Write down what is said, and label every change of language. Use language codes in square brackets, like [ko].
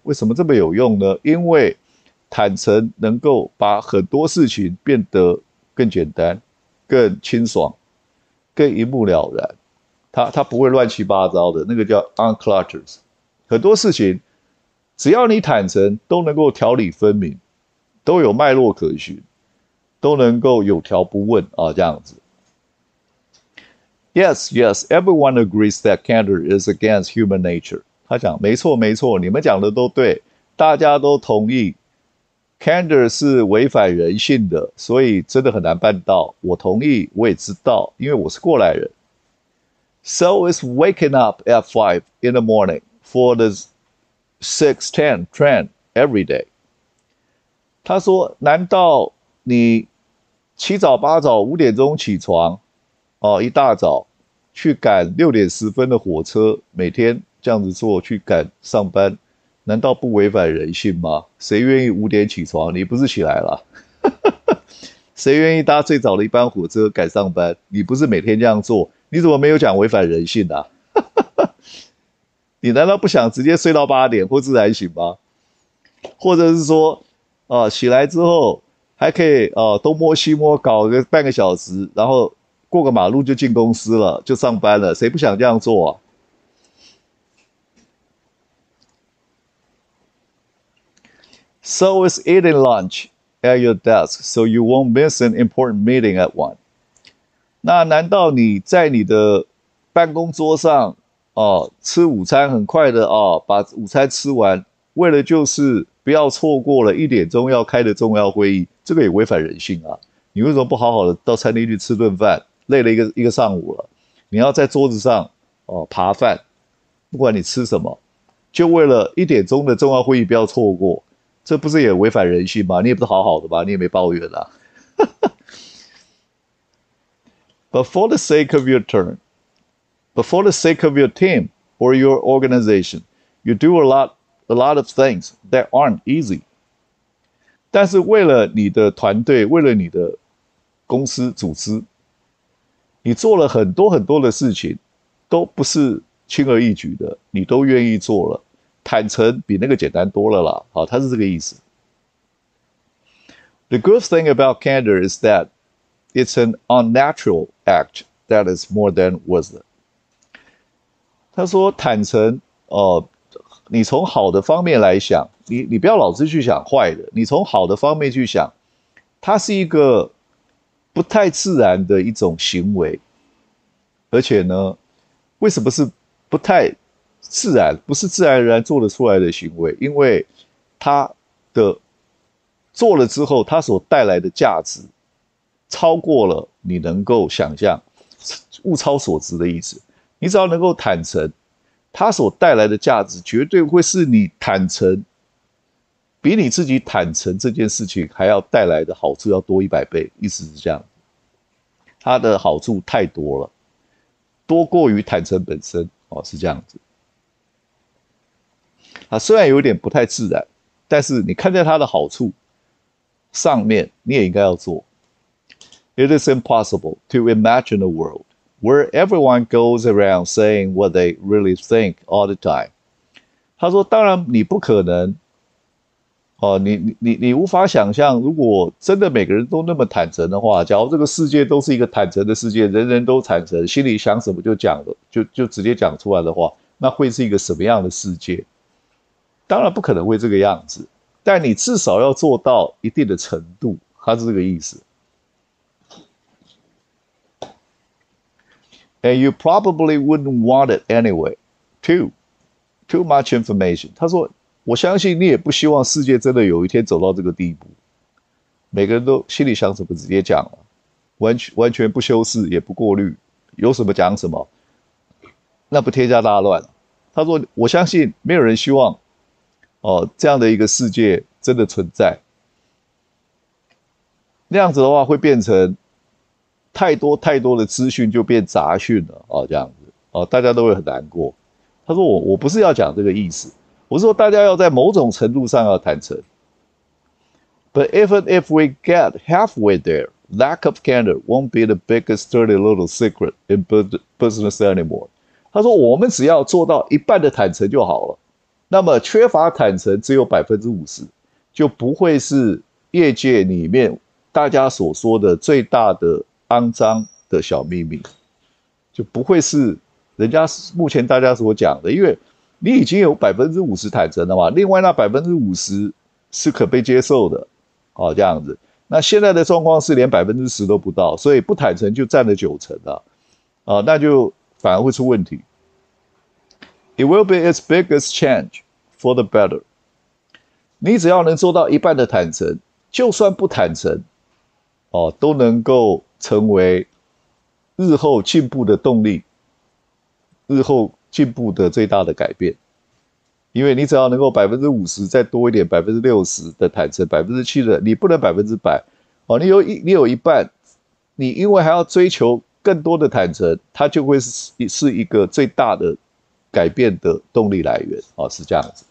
[zh] 为什么这么有用呢？因为坦诚能够把很多事情变得更简单、更清爽、更一目了然。它不会乱七八糟的，那个叫 unclutters。很多事情只要你坦诚，都能够条理分明，都有脉络可循，都能够有条不紊啊，这样子。 [en] Yes, yes, everyone agrees that candor is against human nature. [zh] 他讲没错没错，你们讲的都对，大家都同意。 Candor 是违反人性的，所以真的很难办到。我同意，我也知道，因为我是过来人。 [en] So it's waking up at 5 in the morning for the 6:10 train every day. [zh] 他说，难道你七早八早五点钟起床，哦，一大早去赶6:10的火车，每天这样子做去赶上班，难道不违反人性吗？谁愿意五点起床？你不是起来了？谁愿意搭最早的一班火车赶上班？你不是每天这样做？你怎么没有讲违反人性啊？你难道不想直接睡到8点或自然醒吗？或者是说，起来之后还可以东摸西摸搞个半个小时，然后过个马路就进公司了，就上班了？谁不想这样做啊？ [en] So it's eating lunch at your desk, so you won't miss an important meeting at 1. [zh] 那难道你在你的办公桌上，吃午餐很快的，把午餐吃完，为了就是不要错过了1点要开的重要会议，这个也违反人性啊。你为什么不好好的到餐厅去吃顿饭，累了一个上午了，你要在桌子上，扒饭，不管你吃什么，就为了1点的重要会议不要错过。这不是也违反人性吗？你也不是好好的吧？你也没抱怨啦。 [en] But for the sake of your turn, but for the sake of your team or your organization, you do a lot of things that aren't easy. [zh] 但是为了你的团队，为了你的公司组织，你做了很多很多的事情，都不是轻而易举的，你都愿意做了。坦诚比那个简单多了啦，好，他是这个意思。 [en] The good thing about candor is that it's an unnatural act that is more than worth it. [zh] 他说坦诚，你从好的方面来想，你不要老是去想坏的，你从好的方面去想，它是一个不太自然的一种行为，而且呢，为什么是不太自然，不是自然而然做得出来的行为，因为它的做了之后，它所带来的价值超过了你能够想象，物超所值的意思。你只要能够坦诚，它所带来的价值绝对会是你坦诚，比你自己坦诚这件事情还要带来的好处要多100倍，意思是这样。它的好处太多了，多过于坦诚本身，哦，是这样子。啊，虽然有点不太自然，但是你看在它的好处上面，你也应该要做。 [en] It is impossible to imagine a world where everyone goes around saying what they really think all the time. [zh] 他说，当然你不可能。哦，你无法想象，如果真的每个人都那么坦诚的话，假如这个世界都是一个坦诚的世界，人人都坦诚，心里想什么就讲了，就直接讲出来的话，那会是一个什么样的世界？当然不可能会这个样子，但你至少要做到一定的程度，它是这个意思。 [en] And you probably wouldn't want it anyway, too. Too much information. [zh] 他说，我相信你也不希望世界真的有一天走到这个地步。每个人都心里想什么直接讲了，完全不修饰也不过滤，有什么讲什么，那不天下大乱了。他说，我相信没有人希望，哦，这样的一个世界真的存在。那样子的话会变成太多太多的资讯就变杂讯了，哦，这样子，哦，大家都会很难过。他说我不是要讲这个意思。我说大家要在某种程度上要坦诚。 [en] But even if we get halfway there, lack of candor won't be the biggest dirty little secret in business anymore. [zh] 他说我们只要做到一半的坦诚就好了。那么缺乏坦诚只有50%，就不会是业界里面大家所说的最大的肮脏的小秘密，就不会是人家目前大家所讲的，因为你已经有50%坦诚了嘛，另外那50%是可被接受的，哦，这样子。那现在的状况是连10%都不到，所以不坦诚就占了90%了，啊，那就反而会出问题。 [en] It will be its biggest change for the better。 [zh] 你只要能做到一半的坦诚，就算不坦诚，哦，都能够成为日后进步的动力，日后进步的最大的改变。因为你只要能够50%再多一点，60%的坦诚，7%的，你不能100%，哦，你有一半，你因为还要追求更多的坦诚，它就会是一个最大的改变的动力来源。哦，是这样子。